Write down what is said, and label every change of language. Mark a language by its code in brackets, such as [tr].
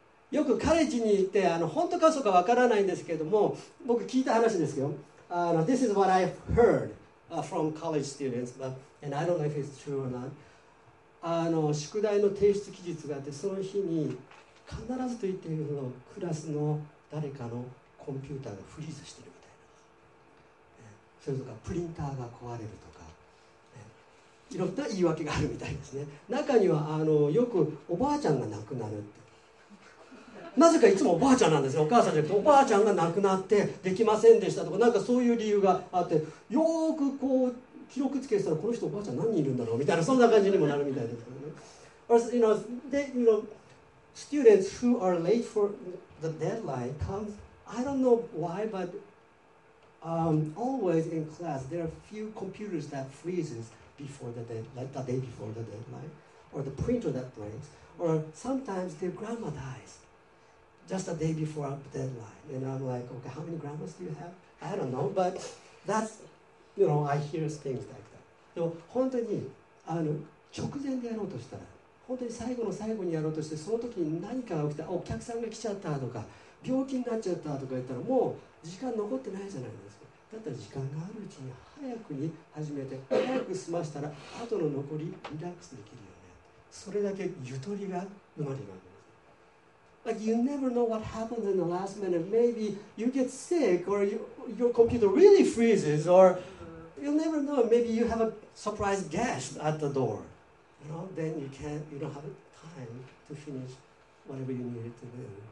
[ja] よくカレッジに行って、本当か嘘かわからないんですけども、僕聞いた話ですよ。 [en] This is what I've heard、from college students, but, and I don't know if it's true or not. [ja] 宿題の提出期日があって、その日に必ずと言っているのクラスの誰かのコンピューターがフリーズしてるみたいな。それとかプリンターが壊れるとか、いろんな言い訳があるみたいですね。中にはよくおばあちゃんが亡くなるって。なぜかいつもおばあちゃんなんですよ。お母さんじゃなくておばあちゃんが亡くなってできませんでしたとか、なんかそういう理由があって、よくこう記録つけてたら、この人おばあちゃん何人いるんだろうみたいな、そんな感じにもなるみたいですけどね。 [en] Or, you know, they, you know, students who are late for the deadline comes, I don't know why, but always in class there are few computers that freezes before the deadline, like the day before the deadline, or the printer that breaks, or sometimes their grandma diesJust a day before the deadline. And I'm like, okay, how many grandmas do you have? I don't know, but that's, you know, I hear things like that. [ja] でも本当にあの直前でやろうとしたら、本当に最後の最後にやろうとして、その時に何かが起きた、お客さんが来ちゃったとか、病気になっちゃったとか言ったら、もう時間残ってないじゃないですか。だったら時間があるうちに早くに始めて、早く済ましたら、後の残りリラックスできるよね。それだけゆとりが生まれます。 [en] Like you never know what happens in the last minute. Maybe you get sick, or your computer really freezes, or you'll never know. Maybe you have a surprise guest at the door. You know, then you can't, you don't have time to finish whatever you needed to do.